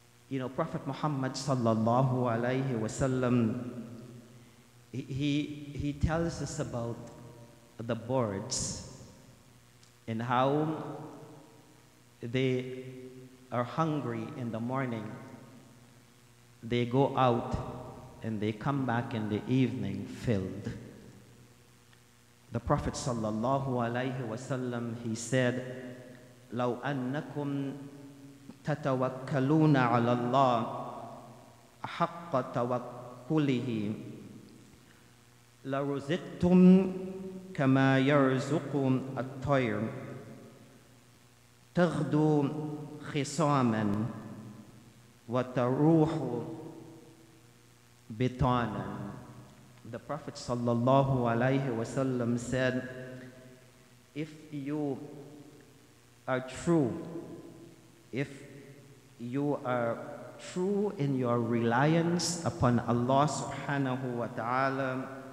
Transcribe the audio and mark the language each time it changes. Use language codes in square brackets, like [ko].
[en] You know, Prophet Muhammad sallallahu alayhi wasallam, he tells us about the birds and how they are hungry in the morning. They go out and they come back in the evening filled. The Prophet sallallahu alayhi wasallam, he said, [ar] لو أنكم تتوكلون على الله حق توكله لرزقتم كما يرزق الطير تغدو خصاما وتروح بطانا. [en] The Prophet sallallahu alayhi wasallam said, if you are true, if you are true in your reliance upon Allah subhanahu wa ta'ala,